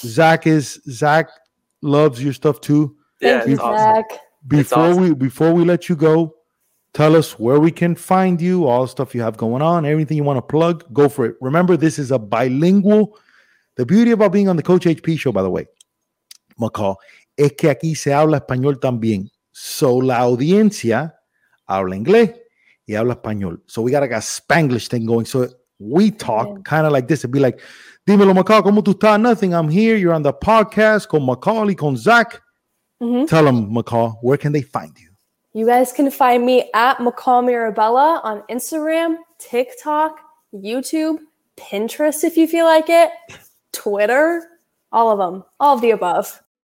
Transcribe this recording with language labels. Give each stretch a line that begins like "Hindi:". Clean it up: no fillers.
English: Zach loves your stuff too. Thank you, Zach. Awesome. Before we let you go, tell us where we can find you, all the stuff you have going on, everything you want to plug, go for it. Remember, this is a bilingual. The beauty about being on the Coach HP show, by the way, McCall,
Spanish: es que aquí se habla español también.
English: So
Spanish: la audiencia habla inglés y habla español.
English: So we got like a Spanglish thing going. So we talk kind of like this. It'd be like,
Spanish: dímelo, Macaulay, ¿cómo tú estás?
English: Nothing, I'm here. You're on the podcast
Spanish: con Macaulay, con Zach.
English: Mm-hmm. Tell them, Macaulay, where can they find you? You guys can find me at Macaulay Mirabella on Instagram, TikTok, YouTube, Pinterest, if you feel like it, Twitter, all of them, all of the above.